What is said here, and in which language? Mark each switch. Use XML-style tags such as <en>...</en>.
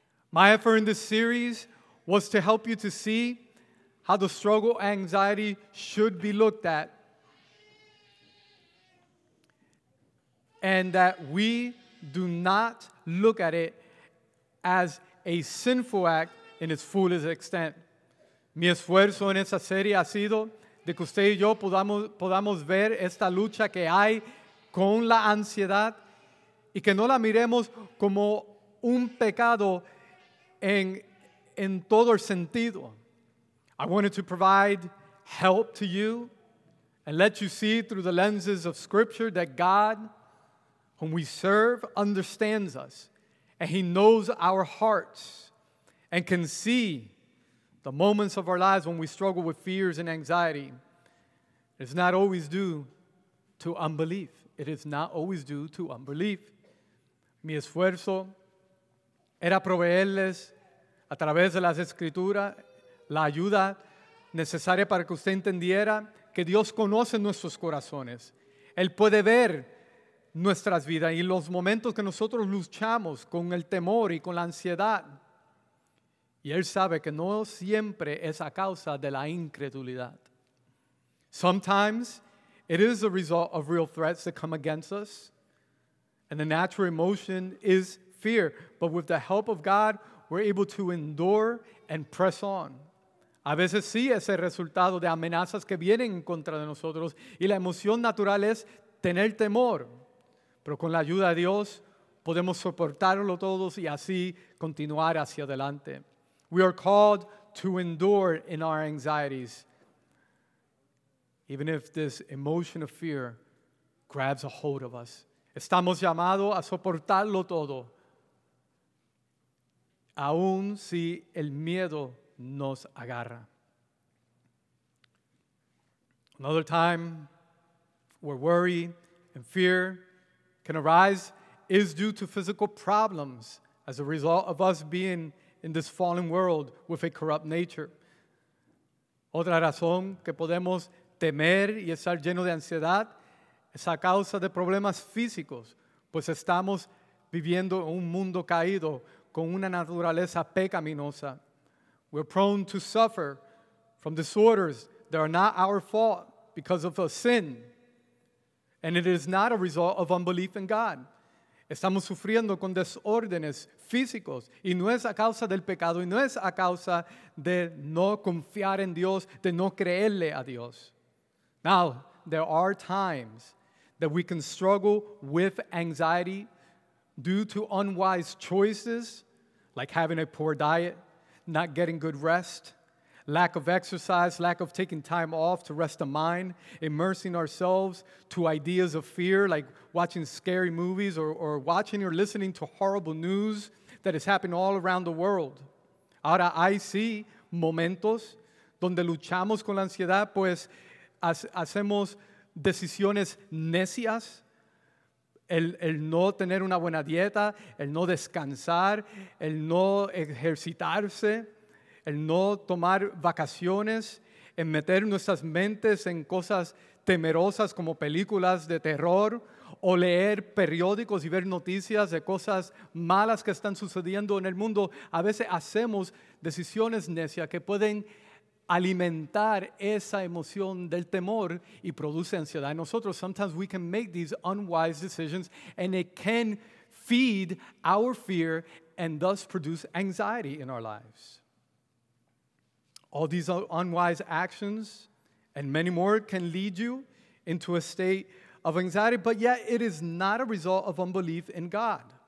<en>My effort in this series was to help you to see how the struggle anxiety should be looked at, and that we do not look at it as a sinful act in its fullest extent.</en> <es>Mi esfuerzo en esta serie ha sido de que usted y yo podamos ver esta lucha que hay con la ansiedad y que no la miremos como un pecado en todo el sentido.</es> <en>I wanted to provide help to you and let you see through the lenses of Scripture that God, whom we serve, understands us, and He knows our hearts and can see the moments of our lives when we struggle with fears and anxiety. It's not always due to unbelief. It is not always due to unbelief.</en> <es>Mi esfuerzo era proveerles a través de las Escrituras la ayuda necesaria para que usted entendiera que Dios conoce nuestros corazones. Él puede ver nuestras vidas y los momentos que nosotros luchamos con el temor y con la ansiedad. Y Él sabe que no siempre es a causa de la incredulidad.</es> <en>Sometimes it is the result of real threats that come against us. And the natural emotion is fear. But with the help of God, we're able to endure and press on.</en> <es>A veces sí es el resultado de amenazas que vienen en contra de nosotros. Y la emoción natural es tener temor. Pero con la ayuda de Dios, podemos soportarlo todos y así continuar hacia adelante.</es> <en>We are called to endure in our anxieties, even if this emotion of fear grabs a hold of us.</en> <es>Estamos llamados a soportarlo todo, aun si el miedo nos agarra.</es> <en>Another time where worry and fear can arise is due to physical problems as a result of us being in this fallen world with a corrupt nature.</en> <es>Otra razón que podemos temer y estar lleno de ansiedad es a causa de problemas físicos, pues estamos viviendo un mundo caído con una naturaleza pecaminosa.</es> <en>We're prone to suffer from disorders that are not our fault because of a sin, and it is not a result of unbelief in God.</en> <es>Estamos sufriendo con desórdenes físicos y no es a causa del pecado y no es a causa de no confiar en Dios, de no creerle a Dios.</es> <en>Now, there are times that we can struggle with anxiety due to unwise choices, like having a poor diet, not getting good rest, lack of exercise, lack of taking time off to rest the mind, immersing ourselves to ideas of fear, like watching scary movies or watching or listening to horrible news that is happening all around the world.</en> <es>Ahora, hay sí momentos donde luchamos con la ansiedad, pues hacemos decisiones necias, el no tener una buena dieta, el no descansar, el no ejercitarse, el no tomar vacaciones, en meter nuestras mentes en cosas temerosas como películas de terror o leer periódicos y ver noticias de cosas malas que están sucediendo en el mundo. A veces hacemos decisiones necias que pueden alimentar esa emoción del temor y produce ansiedad en nosotros.</es> <en>Sometimes we can make these unwise decisions and it can feed our fear and thus produce anxiety in our lives. All these unwise actions and many more can lead you into a state of anxiety, but yet it is not a result of unbelief in God.</en>